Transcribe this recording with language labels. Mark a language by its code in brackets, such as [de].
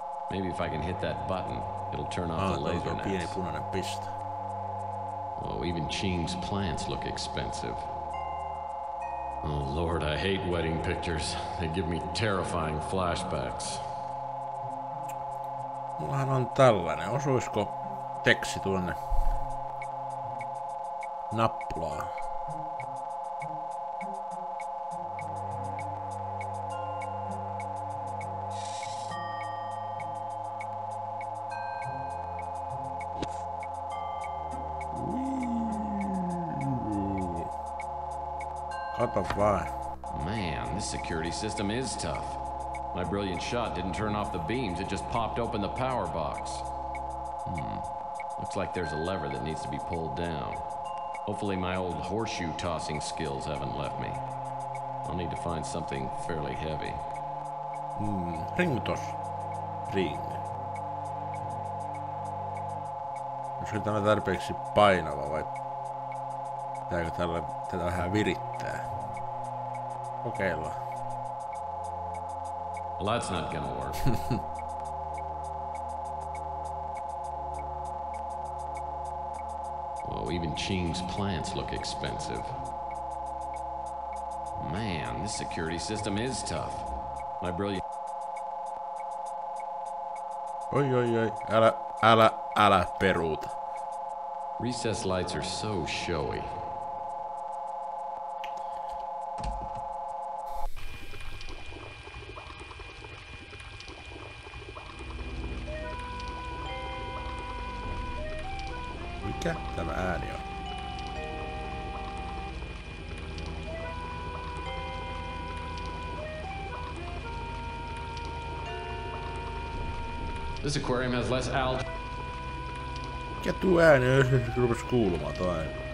[en] Maybe if I can hit that button, it'll turn off the laser nets. [fi] Pieni punainen piste. [en] Oh, even Ching's plants look expensive. Oh Lord, I hate wedding pictures. They give me terrifying flashbacks. [fi] Mullahan on tällainen. Osuisko teksti tuonne nappulaa? [en] What the fuck? Man, this security system is tough. My brilliant shot didn't turn off the beams, it just popped open the power box. Looks like there's a lever that needs to be pulled down. Hopefully my old horseshoe tossing skills haven't left me. I'll need to find something fairly heavy. Ring tos. Ring. [fi] Onko tämä tarpeeksi painava vai pitääkö tällä tätä vähän virittää? [en] Okay. Well, that's not gonna work. Well, even Ching's plants look expensive. Man, this security system is tough. My brilliant. [fi] Oi, oi, oi! Älä peruuta. [en] Recess lights are so showy. [fi] Mikä tämä ääni on? [en] This aquarium has less algae. [fi] Mikä tuo ääni on, jos se rupes kuulumaan tuo ääni?